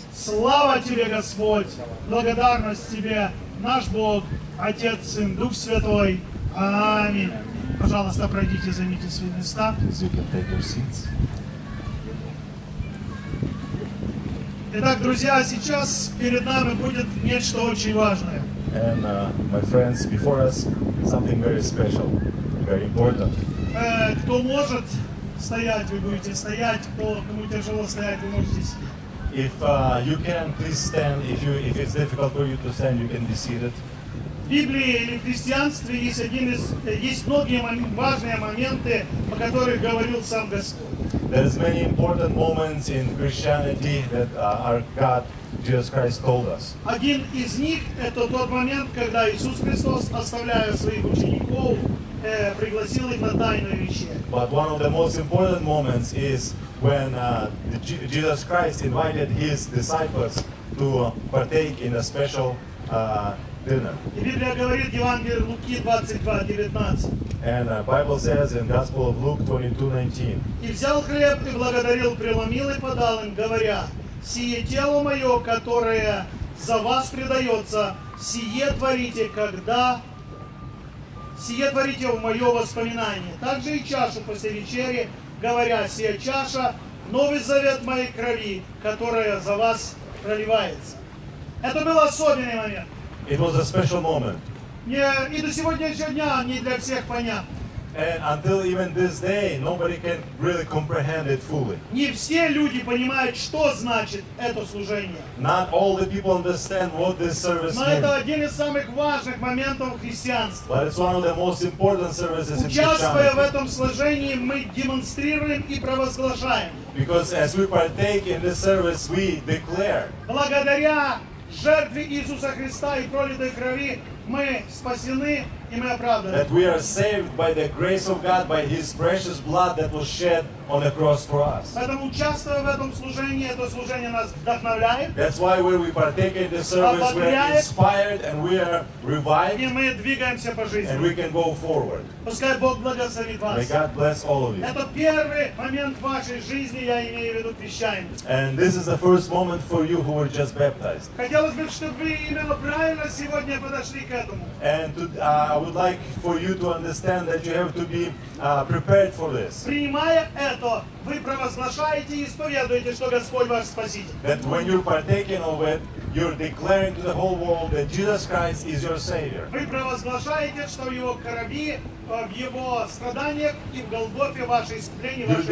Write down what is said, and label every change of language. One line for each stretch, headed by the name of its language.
Russian: Слава Тебе, Господь, благодарность Тебе, наш Бог, Отец, Сын, Дух Святой. Аминь. Пожалуйста, пройдите, займите свои места. Итак, друзья, сейчас перед нами будет нечто очень важное.
English: And my friends, before us something very special, very important.
Russian: Кто может стоять, вы будете стоять. Кому тяжело стоять, вы можете сидеть.
English: If you can, please stand. If it's difficult for you to stand, you can be seated.
Russian: В Библии или в христианстве есть многие важные моменты, о которых говорил сам Господь.
English: There is many important moments in Christianity that our God, Jesus Christ, told us.
Russian: Один из них – это тот момент, когда Иисус Христос, оставляя своих учеников, пригласил их на тайное вечерю.
English: But one of the most important moments is when Jesus Christ invited his disciples to partake in a special dinner.
Russian: И Библия говорит, Евангелие Луки 22:19.
English: And Bible says in Gospel of Luke 22:19.
Russian: И взял хлеб и благодарил, преломил и подал им, говоря: сие тело мое, которое за вас предается, сие творите в мое воспоминание. Также и чашу после вечери, говоря: сия чаша новый завет моей крови, которая за вас проливается. Это был особенный момент.
English: It was a special moment.
Russian: Yeah, и до сегодняшнего дня не для всех понятно.
English: And until even this day, nobody can really comprehend it fully.
Russian: Не все люди понимают, что значит это служение.
English: Not all the people understand what this service means.
Russian: Но это один из самых важных моментов христианства.
English: But it's one of the most important services in Christianity.
Russian: Участвуя в этом служении, мы демонстрируем и провозглашаем.
English: Because as we partake in this service, we declare.
Russian: Благодаря жертве Иисуса Христа и пролитой крови мы спасены и мы оправданы.
English: That we are saved by the grace of God, by His precious blood that was shed on the cross for us.
Russian: Поэтому участвуя в этом служении, это служение нас вдохновляет.
English: That's why when we partake in the service, we are inspired and we are revived.
Russian: И мы двигаемся по жизни.
English: And we can go forward.
Russian: Пускай Бог благословит вас.
English: May God bless all of you.
Russian: Это первый момент вашей жизни, я имею в виду крещение.
English: And this is the first moment for you who were just baptized.
Russian: Хотелось бы, чтобы вы именно правильно сегодня подошли к этому.
English: And I would like for you to understand that you have to be prepared for this.
Russian: Принимая это, вы провозглашаете и исповедуете, что Господь ваш спаситель.
English: That when you're partaking of it, you're declaring to the whole world that Jesus Christ is your Savior.
Russian: Вы провозглашаете, что в Его крови, в Его страданиях и в Голгофе ваше искупление, ваше.